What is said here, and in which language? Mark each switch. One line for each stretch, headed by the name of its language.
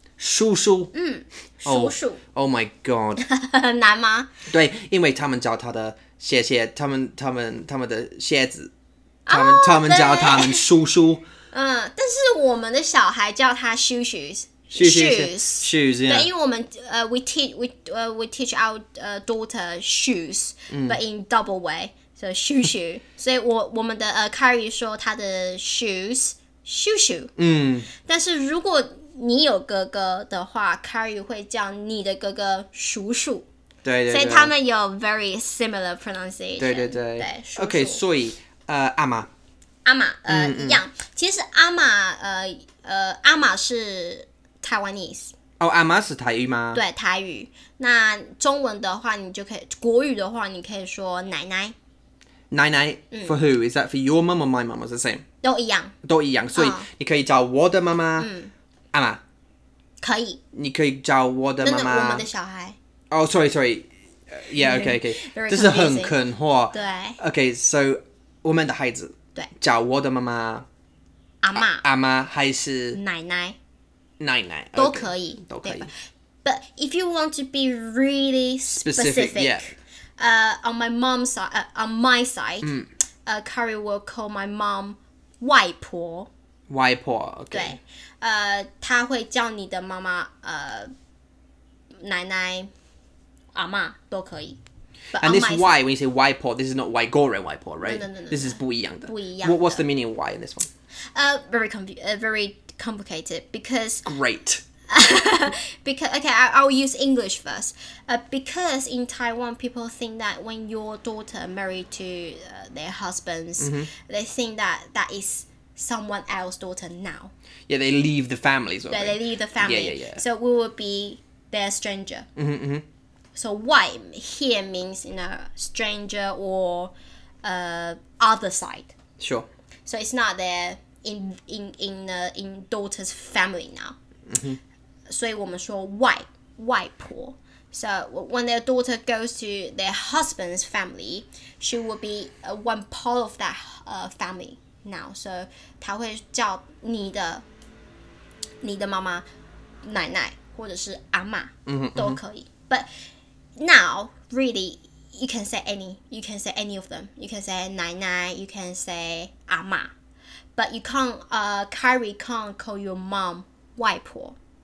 Chinese: 叔叔，叔叔。
English: Oh my god，
Chinese: 难吗？对，因为他们叫他的鞋鞋，他们的鞋子，他们叫他们叔叔。但是我们的小孩叫他叔叔。
English: Shoes, yeah.
Chinese: 因为我们
English: we teach our daughter shoes, but in double way, so shoe shoe.
Chinese: 所以我们的Carrie 说她的
English: shoes shoe shoe.
Chinese: 但是如果你有哥哥的话 ，Carrie 会叫你的哥哥叔叔。对对对。所以他们有
English: very similar pronunciation.
Chinese: 对对对。对。 OK， 所以阿妈。阿妈一样。其实阿妈阿妈是。Taiwanese 阿妈是台语吗？对，台语。那中文的话，你就可以国语的话，你可以说奶奶。
English: 奶奶 for who is that? For your mum or my mum? Is the same?
Chinese: 都一样，都一样。所以你可以叫我的妈妈阿妈，可以。你可以叫我的妈妈，我们的小孩。
English: Oh, sorry, sorry. Yeah, okay, okay.
Chinese: 这是很肯话。对。
English: Okay, so
Chinese: 我们的孩子对叫我的妈妈阿妈，阿妈还是奶奶。奶奶都,
English: okay,
Chinese: 可以都可以
English: but if you want to be really specific yeah. On my mom's side on my side Carrie will call my mom 外婆 okay.
Chinese: 她会叫你的妈妈奶奶阿嬷都可以
English: and this side, why when you say 外婆 this is not
Chinese: 外国人外婆
English: right no, no, no, no,
Chinese: this is 不一样的不一样的
English: What's the meaning of why in this one very complicated because great because okay I'll use English first because in Taiwan people think that when your daughter married to their husbands they think that is someone else's daughter now yeah they leave the family as well, right? they leave the family yeah, yeah, yeah. so we will be their stranger so why here means you know stranger or other side sure so it's not their in daughter's family now. So we say 外婆.So when their daughter goes to their husband's family, she will be one part of that family now.
Chinese: So 她会叫你的妈妈奶奶或者是阿嬷都可以。
English: But now, really, you can say any of them. You can say 奶奶, you can say 阿嬷.But you can't, Carrie can't call your mom 外婆.